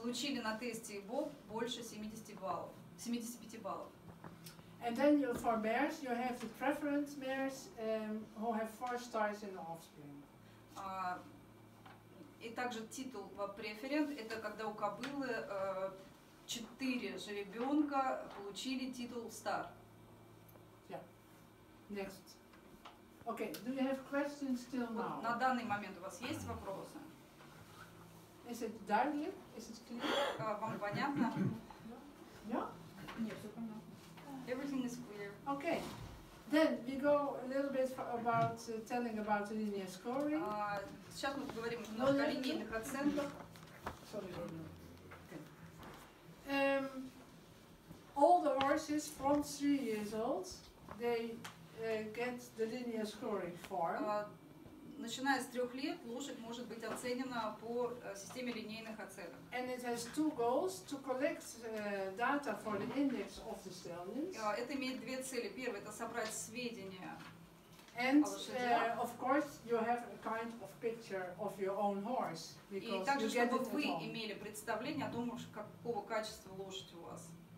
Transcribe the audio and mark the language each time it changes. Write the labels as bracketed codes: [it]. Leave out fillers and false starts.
[ru] Получили на тесте IBOP больше 75 баллов. [en] And then you, for mares, you have the preference mares who have 4 stars in the offspring. [ru] И также титул по преференс, это когда у кобылы 4 жеребенка получили титул стар. [en] Yeah. Next. Okay, do you have questions still now? [ru] На данный момент у вас есть вопросы? [en] Is it direct? Is it clear? [ru] Вам понятно? Yeah? Нет, все понятно. [en] Everything is clear. Okay, then we go a little bit about telling about the linear scoring. [ru] Сейчас мы поговорим немного о линейных оценках. [en] Sorry. Okay. All the horses from 3 years old, they get the linear scoring form. [ru] Начиная с 3 лет лошадь может быть оценена по системе линейных оценок. [en] And it has 2 goals: to collect data for the index of the stallions. [ru] Это имеет 2 цели. Первое — это собрать сведения. [en] And of course you have a kind of picture of your own horse. [ru] И также чтобы вы имели представление о том, какого качества лошадь у вас.